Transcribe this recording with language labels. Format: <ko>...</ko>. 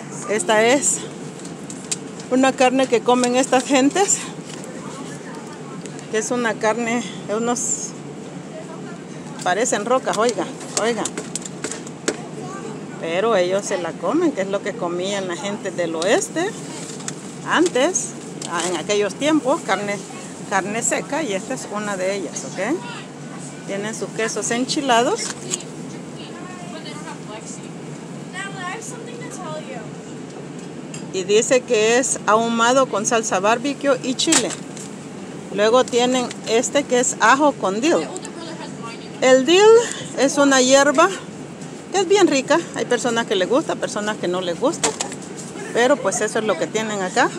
<es>Esta es una carne que comen estas gentes, que es una carne, unos parecen rocas, oiga, pero ellos se la comen, que es lo que comían la gente del oeste antes, en aquellos tiempos, carne seca, y esta es una de ellas, ¿ok? Tienen sus quesos enchilados.</es> <en>Natalie, I have something to tell you.</en> <es>y dice que es ahumado con salsa barbecue y chile. Luego tienen este que es ajo con dill. El dill es una hierba que es bien rica. Hay personas que le gusta, personas que no le gusta. Pero pues eso es lo que tienen acá.</es>